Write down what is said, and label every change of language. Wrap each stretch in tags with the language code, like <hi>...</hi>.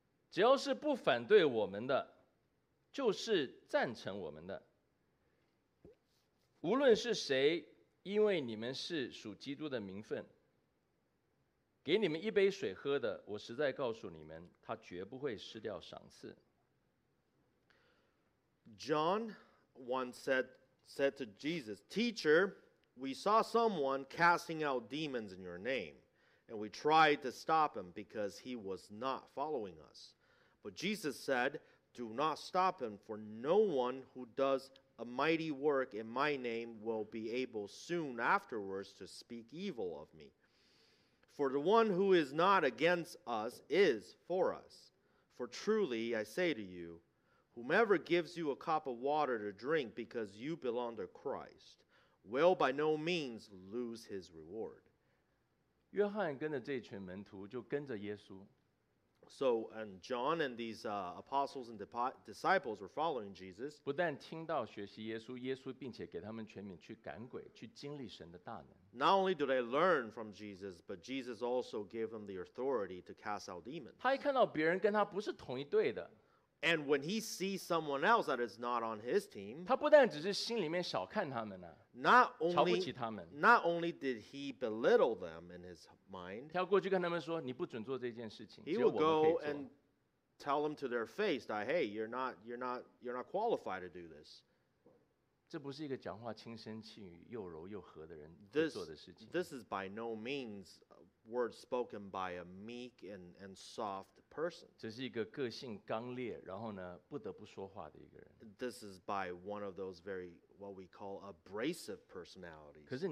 <zh>只要是不反对我们的，就是赞成我们的。无论是谁，因为你们是属基督的名分，给你们一杯水喝的，我实在告诉你们，他绝不会失掉赏赐。”</zh> <en>John once said to Jesus, Teacher, we saw someone casting out demons in your name, and we tried to stop him because he was not following us. But Jesus said, Do not stop him, for no one who does a mighty work in my name will be able soon afterwards to speak evil of me. For the one who is not against us is for us. For truly I say to you, whomever gives you a cup of water to drink because you belong to Christ will by no means lose his reward.</en> <zh>约翰跟着这群门徒就跟着耶稣。</zh> <en>So, and John and these apostles and disciples were following Jesus.</en> <zh>不但听到学习耶稣，耶稣并且给他们权柄去赶鬼，去经历神的大能。</zh> <en>Not only do they learn from Jesus, but Jesus also gave them the authority to cast out demons.</en> <zh>他一看到别人跟他不是同一队的。</zh> <en>And when he sees someone else that is not on his team,</en> <zh>他不但只是心里面小看他们啊,</zh> <en>not only did he belittle them in his mind,</en> <zh>跳过去跟他们说, 你不准做这件事情,</zh> <en>he will go and tell them to their face that, hey, you're not qualified to do this.</en> <zh>这不是一个讲话轻声细语又柔又和的人会做的事情。</zh> <en>This is by no means words spoken by a meek and soft person.</en> <zh>这是一个个性刚烈，然后呢，不得不说话的一个人。</zh> <en>This is by one of those very what we call abrasive personalities.</en>